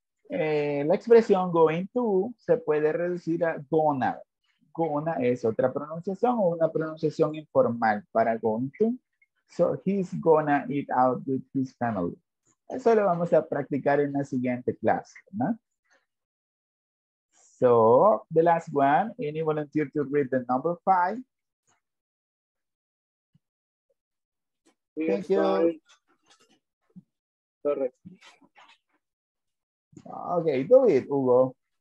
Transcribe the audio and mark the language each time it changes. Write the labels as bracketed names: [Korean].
[Spanish] La expresión going to se puede reducir a gonna. Gonna es otra pronunciación o una pronunciación informal para going to. [English] So he's gonna eat out with his family. [Spanish] Eso lo vamos a practicar en la siguiente clase, ¿no? [English] So, the last one, any volunteer to read the number five? Thank you. Correct. Okay, do it, Hugo.